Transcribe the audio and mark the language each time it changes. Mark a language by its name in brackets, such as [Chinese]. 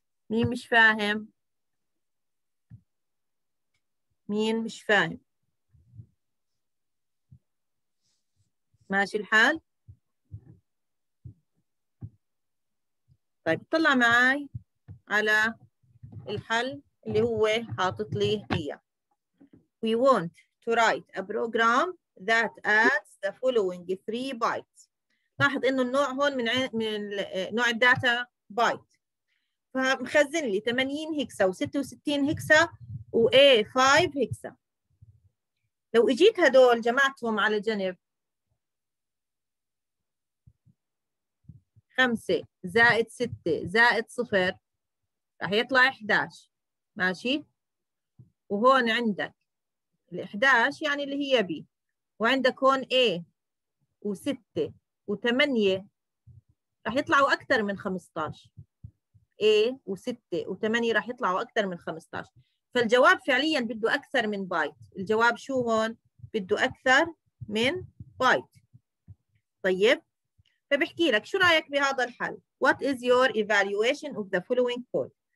[Arabic] مين مش فاهم؟ ماشي الحال؟ طيب طلع معي على الحل اللي هو حاطط لي إياه. [English] We want to write a program that adds the following 3 bytes. [Arabic] لاحظ إنه النوع هون من نوع الداتا بايت. فمخزن لي 80 هكسا و 66 هكسا و A 5 هكسا. لو إجيت هدول جمعتهم على جنب 5 + 6 + 0 راح يطلع 11. ماشي؟ وهون عندك ال 11 يعني اللي هي بي، وعندك هون A و 6 و 8 راح يطلعوا أكثر من 15. A و 6 و 8 راح يطلعوا أكثر من 15، فالجواب فعليا بده أكثر من بايت. الجواب شو هون؟ بده أكثر من بايت. طيب فبحكي لك شو رأيك بهذا الحل؟ [English] What is your evaluation of the following code?